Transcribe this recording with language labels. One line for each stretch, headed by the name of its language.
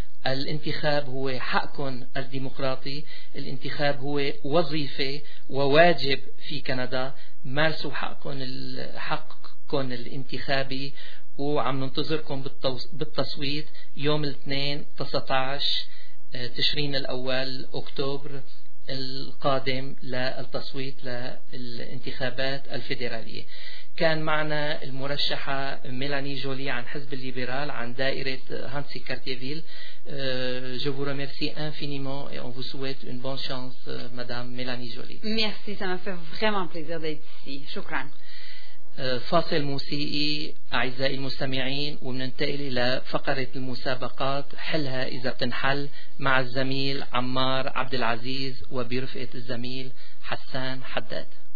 Arabic: الانتخاب هو حق الديمقراطي، الانتخاب هو وظيفة وواجب في كندا، مارسوا حقكم الانتخابي وعم ننتظركم بالتصويت يوم الاثنين 19 تشرين الأول أكتوبر القادم للتصويت للانتخابات الفيدرالية. كان معنا المرشحة ميلاني جولي عن حزب الليبرال عن دائرة هانسي كارتيفيل.
French: Je vous remercie infiniment et on vous souhaite une bonne chance, Madame Mélanie Joly. Merci, ça m'a fait vraiment plaisir d'être ici.
Arabic: شكراً. فاصل موسيقي أعزائي المستمعين ومننتقل إلى فقرة المسابقات حلها إذا بتنحل مع الزميل عمار عبد العزيز وبرفقة الزميل حسان حداد.